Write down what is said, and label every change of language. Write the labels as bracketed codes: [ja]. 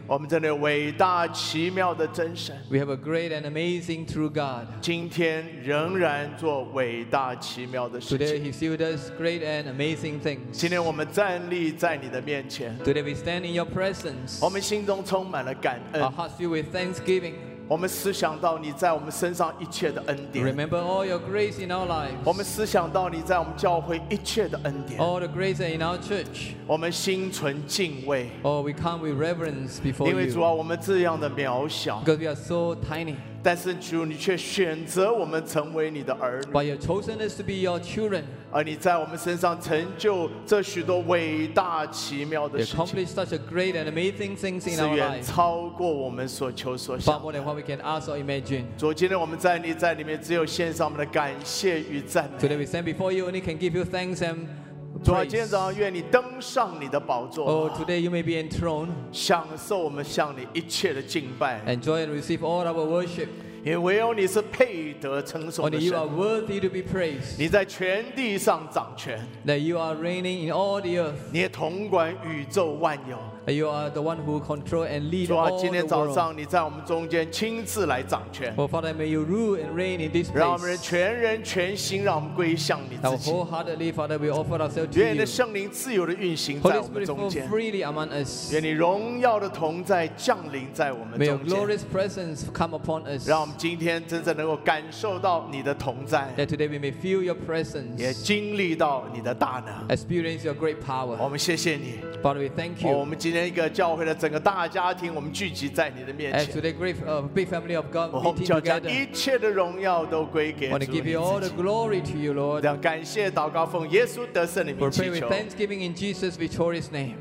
[zh] 我们真的伟大奇妙的真神。 [en] We have a great and amazing true God. [zh] 今天仍然做伟大奇妙的事情。 [en] Today He still does great and amazing things. [zh] 今天我们站立在你的面前。 [en] Today we stand in your presence. [zh] 我们心中充满了感恩。 [en] Our hearts fill with thanksgiving. [zh] 我们思想到你在我们身上一切的恩典。 [en] Remember all your grace in our lives. [zh] 我们思想到你在我们教会一切的恩典。 [en] All the grace in our church. [zh] 我们心存敬畏。 [en] Oh, we come with reverence before you. [zh] 因为主啊，我们这样的渺小。 [en] Because we are so tiny. [zh] 但是主，你却选择我们成为你的儿女。 [en] But you've chosen us to be your children. [zh] 而你在我们身上成就这许多伟大奇妙的事情。 [en] You accomplish such a great and amazing things in our life. [zh] 是远超过我们所求所想。 [en] Far more than what we can ask or imagine. [zh] 主，今天我们在你在里面，只有献上我们的感谢与赞美。 [en] Today we stand before you, only can give you thanks and. [zh] 主啊，今天早上愿你登上你的宝座。 [en] Oh, today you may be enthroned. [zh] 享受我们向你一切的敬拜。 [en] Enjoy and receive all our worship. [zh] 因为唯有你是配得称颂的神。 [en] Only you are worthy to be praised. [zh] 你在全地上掌权。 [en] That you are reigning in all the earth. [zh] 你也统管宇宙万有。 [en] You are the one who control and lead all the world. [zh] 主啊，今天早上你在我们中间亲自来掌权。 [en] Oh, Father, may you rule and reign in this place. [zh] 让我们全人全心，让我们归向你自己。 [en] Now, wholeheartedly, Father, we offer ourselves to [zh] you. 愿你的圣灵自由的运行在我们中间。 [en] Holy Spirit, freely among us. [zh] 愿你荣耀的同在降临在我们中间。 [en] May your glorious presence come upon us. [zh] 让我们今天真正能够感受到你的同在。 [en] That today we may feel your presence. [zh] 也经历到你的大能。 [en] Experience your great power. [zh] 我们谢谢你。 [en] Father, we thank you. [zh] 我们今天一个教会的整个大家庭，我们聚集在你的面前。 [en] And to the great big family of God, [zh] 我们就将一切的荣耀都归给主你自己。 [en] I want to give you all the glory to you, Lord. [zh] 让感谢祷告奉耶稣得胜的名祈求。 [en] We pray with thanksgiving in Jesus' victorious name.